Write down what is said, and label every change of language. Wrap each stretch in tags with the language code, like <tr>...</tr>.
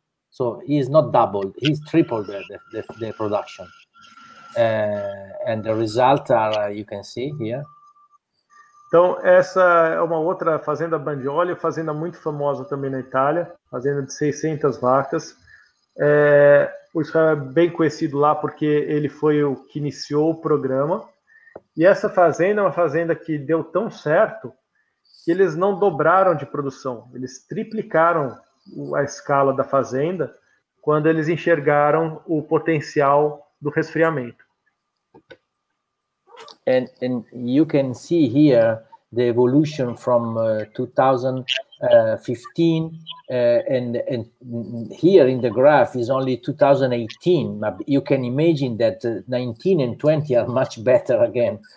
<en>So he is not doubled, he's tripled the production. And the results are, you can see here.</en> <pt>Então, essa é uma outra fazenda Bandioli, fazenda muito famosa também na Itália, fazenda de 600 vacas. O Israel é bem conhecido lá porque ele foi o que iniciou o programa. E essa fazenda é uma fazenda que deu tão certo que eles não dobraram de produção, eles triplicaram a escala da fazenda quando eles enxergaram o potencial do resfriamento.</pt> <en>And you can see here the evolution from 2015 and here in the graph is only 2018. You can imagine that 19 and 20 are much better again.</en>